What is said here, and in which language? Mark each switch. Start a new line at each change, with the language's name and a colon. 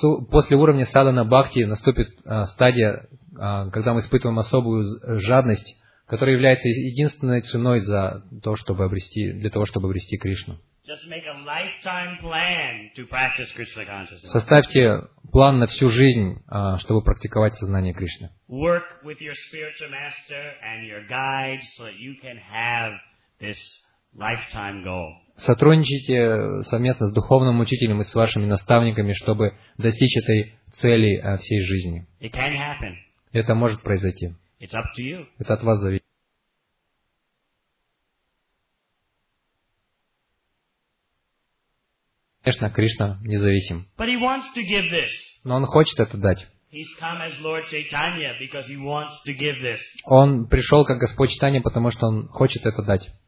Russian: После уровня садхана бхакти наступит стадия, когда мы испытываем особую жадность, которая является единственной ценой за то, чтобы обрести, для того, чтобы обрести Кришну.
English: Just make a lifetime plan to practice Krishna consciousness.
Russian: Составьте план на всю жизнь, чтобы практиковать сознание Кришны.
English: Work with your spiritual master and your guides so that you can have this lifetime goal.
Russian: Сотрудничайте совместно с духовным учителем и с вашими наставниками, чтобы достичь этой цели всей жизни.
English: It can happen.
Russian: Это может произойти.
English: It's up to you.
Russian: Это от вас зависит. Конечно, Кришна независим.
English: But he wants to give this.
Russian: Но он хочет это дать.
English: He's come as Lord Chaitanya because he wants to give this.
Russian: Он пришел как Господь Чайтанья, потому что он хочет это дать.